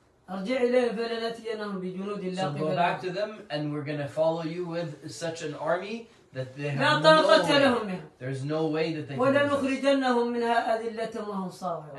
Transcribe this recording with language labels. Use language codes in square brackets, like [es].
[ar] أرجع إليهم فلنأتينهم بجنود لا [en] قبل. So go back to them and we're gonna follow you with such an army that they have no way. There's no way that they can. [ar] ولنخرجنهم منها أذلة وهم صاغرون.